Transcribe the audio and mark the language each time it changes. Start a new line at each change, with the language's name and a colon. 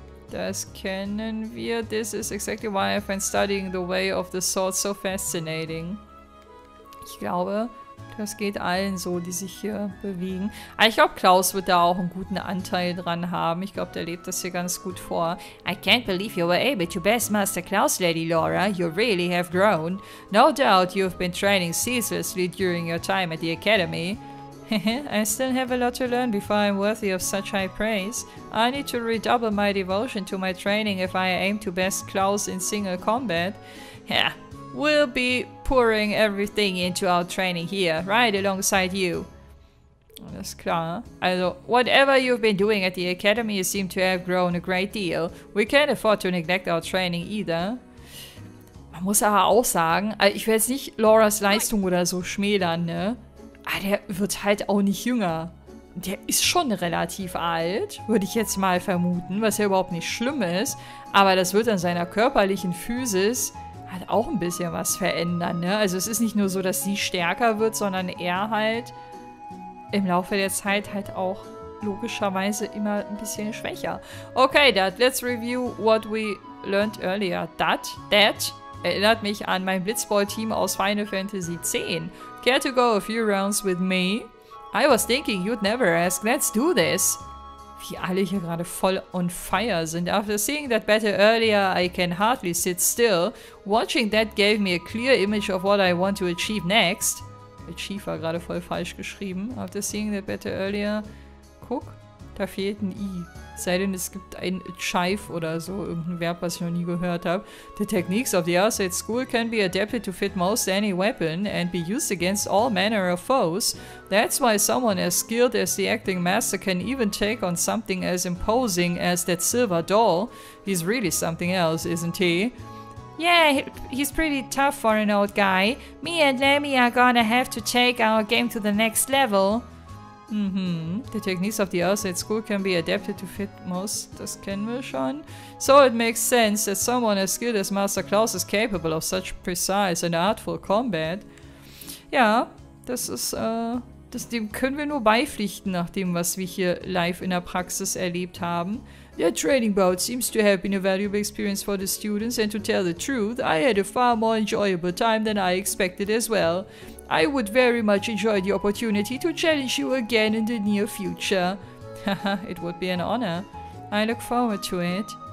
German: Das kennen wir.
English: This is exactly why I find studying the way of the sword so fascinating.
German: Ich glaube, das geht allen so, die sich hier bewegen. Aber ich glaube, Klaus wird da auch einen guten Anteil dran haben. Ich glaube, der lebt das hier ganz gut vor.
English: I can't believe you were able to best Master Klaus, Lady Laura. You really have grown. No doubt you've been training ceaselessly during your time at the Academy. I still have a lot to learn before I'm worthy of such high praise. I need to redouble my devotion to my training if I aim to best Klaus in single combat. Yeah, we'll be pouring everything into our training here, right alongside you.
German: Alles klar.
English: Also, whatever you've been doing at the Academy, you seem to have grown a great deal. We can't afford to neglect our training either.
German: Man muss aber auch sagen, ich will jetzt nicht Lauras Leistung oder so schmälern, ne? Der wird halt auch nicht jünger. Der ist schon relativ alt, würde ich jetzt mal vermuten, was ja überhaupt nicht schlimm ist. Aber das wird an seiner körperlichen Physis halt auch ein bisschen was verändern, ne? Also es ist nicht nur so, dass sie stärker wird, sondern er halt im Laufe der Zeit halt auch logischerweise immer ein bisschen schwächer.
English: Okay, Dad, let's review what we learned earlier.
German: That erinnert mich an mein Blitzball-Team aus Final Fantasy X.
English: Care to go a few rounds with me? I was thinking you'd never ask. Let's do this.
German: Wie alle hier gerade voll
English: on fire
German: sind.
English: After seeing that battle earlier, I can hardly sit still. Watching that gave me a clear image of what I want to achieve next.
German: Achieve war gerade voll falsch geschrieben.
English: After seeing that battle earlier...
German: Guck, da fehlt ein I. Sei denn, es gibt ein Chive oder so, irgendein Verb, was ich noch nie gehört habe.
English: The techniques of the Arcade School can be adapted to fit most any weapon and be used against all manner of foes. That's why someone as skilled as the acting master can even take on something as imposing as that silver doll. He's really something else, isn't he? Yeah, he's pretty tough for an old guy. Me and Lemmy are gonna have to take our game to the next level. Mhm. The techniques of the Arcade School can be adapted to fit most.
German: Das kennen wir schon.
English: So it makes sense that someone as skilled as Master Klaus is capable of such precise and artful combat.
German: Ja, das ist, dem können wir nur beipflichten, nach dem, was wir hier live in der Praxis erlebt haben.
English: Their training bout seems to have been a valuable experience for the students, and to tell the truth, I had a far more enjoyable time than I expected as well. I would very much enjoy the opportunity to challenge you again in the near future. Haha, it would be an honor. I look forward to it.